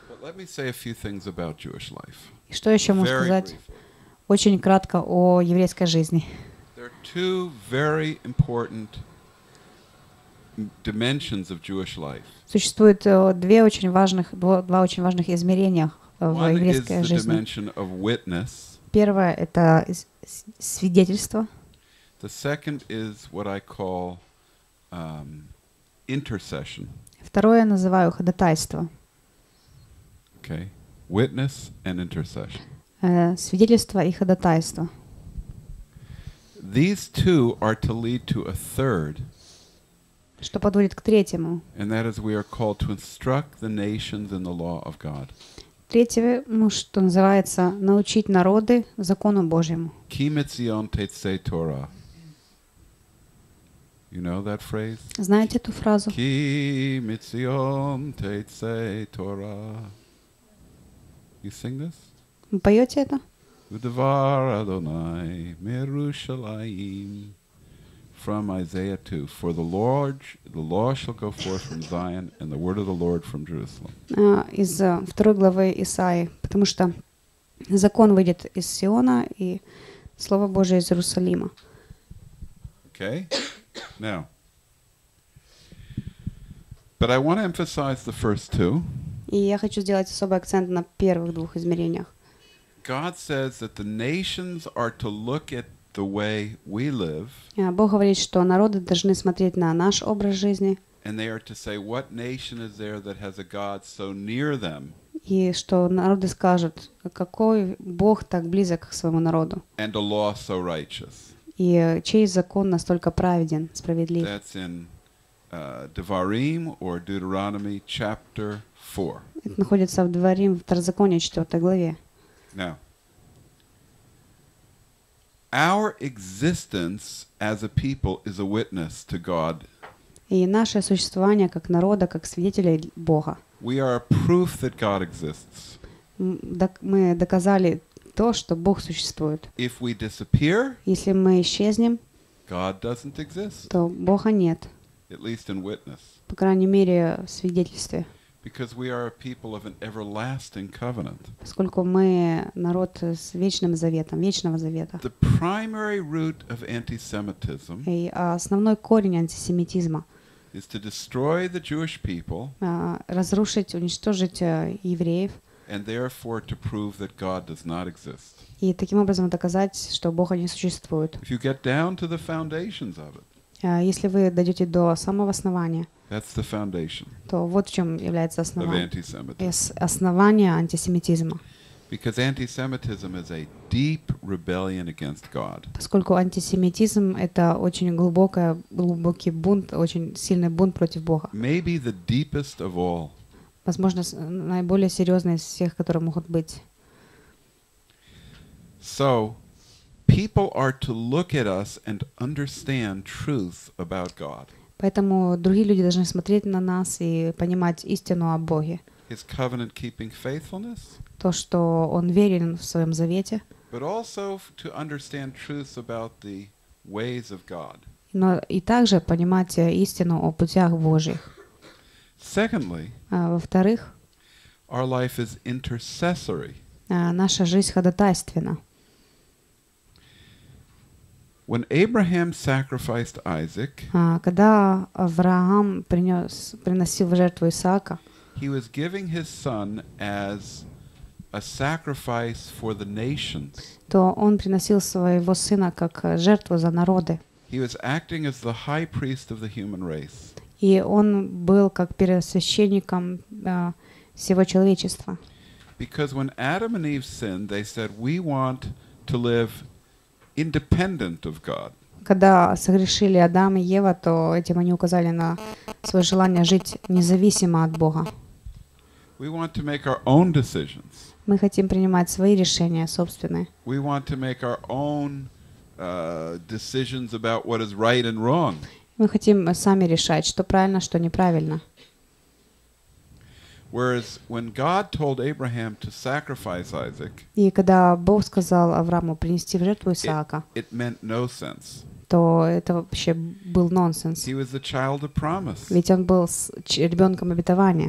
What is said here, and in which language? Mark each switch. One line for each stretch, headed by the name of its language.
English: Let me say a few things about Jewish life.
Russian: Что еще можно сказать? Очень кратко о еврейской жизни.
English: There are two very important dimensions of Jewish life.
Russian: Существует два очень важных измерения в еврейской жизни.
English: One is the dimension of witness.
Russian: Первое — это свидетельство.
English: The second is what I call intercession.
Russian: Второе называю ходатайство.
English: Okay. Witness and intercession.
Russian: Свидетельство и ходатайство.
English: These two are to lead to a third.
Russian: Что подводит к третьему.
English: And that is we are called to instruct the nations in the law of God.
Russian: Третье, что называется, научить народы закону Божьему.
Hebrew: Ki mitzion tetzei Torah.
English: You know that phrase?
Russian: Знаете эту фразу?
Hebrew: Ki mitzion tetzei Torah.
English: You sing this?
Russian: Вы поете это?
Hebrew: V'dvar Adonai Merushalayim.
English: From Isaiah 2. For the law shall go forth from Zion, and the word of the Lord from Jerusalem.
Russian: Из второй главы Исаии. Потому что закон выйдет из Сиона, и слово Божие из Иерусалима.
English: Okay. Now, but I want to emphasize the first two.
Russian: И я хочу сделать особый акцент на первых двух измерениях.
English: God says that the nations are to look at the way we live.
Russian: Бог говорит, что народы должны смотреть на наш образ жизни.
English: And they are to say, what nation is there that has a God so near them?
Russian: И что народы скажут, какой Бог так близок к своему народу?
English: And a law so righteous.
Russian: И чей закон настолько праведен, справедлив?
English: That's in Devarim or Deuteronomy chapter 4.
Russian: Это находится в Деварим, в Второзаконии, 4 главе.
English: Now, our existence as a people is a witness to God.
Russian: И наше существование как народа, как свидетеля Бога.
English: We are a proof that God exists.
Russian: Мы доказали то, что Бог существует.
English: If we disappear,
Russian: если мы исчезнем,
English: God doesn't exist.
Russian: То Бога нет.
English: At least in witness.
Russian: По крайней мере, в свидетельстве.
English: Because we are a people of an everlasting covenant.
Russian: Поскольку мы народ с вечным заветом, вечного завета.
English: The primary root of antisemitism.
Russian: И основной корень антисемитизма.
English: Is to destroy the Jewish people.
Russian: Разрушить, уничтожить евреев.
English: And therefore to prove that God does not exist.
Russian: И таким образом доказать, что Бога не существует.
English: If you get down to the foundations of it.
Russian: Если вы дойдете до самого основания.
English: That's the foundation.
Russian: То вот в чем является основание антисемитизма.
English: Because antisemitism is a deep rebellion against God.
Russian: Поскольку антисемитизм это очень глубокий бунт, очень сильный бунт против Бога.
English: Maybe the deepest of all.
Russian: Возможно, наиболее серьезные из всех, которые могут быть.
English: So, people are to look at us and understand truth about God.
Russian: Поэтому другие люди должны смотреть на нас и понимать истину о Боге.
English: His covenant-keeping faithfulness.
Russian: То, что Он верен в Своем Завете.
English: But also to understand truth about the ways of God.
Russian: Но и также понимать истину о путях Божьих.
English: Secondly,
Russian: во-вторых,
English: our life is intercessory.
Russian: Наша жизнь ходатайственна.
English: When Abraham sacrificed Isaac,
Russian: когда Авраам приносил в жертву Исаака,
English: he was giving his son as a sacrifice for the nations.
Russian: То он приносил своего сына как жертву за народы.
English: He was acting as the high priest of the human race.
Russian: И он был как первосвященником всего человечества.
English: Because when Adam and Eve sinned, they said, "We want to live independent of God."
Russian: Когда согрешили Адам и Ева, то этим они указали на свое желание жить независимо от Бога.
English: We want to make our own decisions.
Russian: Мы хотим принимать свои решения собственные.
English: We want to make our own decisions about what is right and wrong.
Russian: Мы хотим сами решать, что правильно, что неправильно.
English: Whereas when God told Abraham to sacrifice Isaac,
Russian: и когда Бог сказал Аврааму принести в жертву Исаака,
English: it meant no sense.
Russian: То это вообще был нонсенс.
English: He was the child of promise.
Russian: Ведь он был ребенком обетования.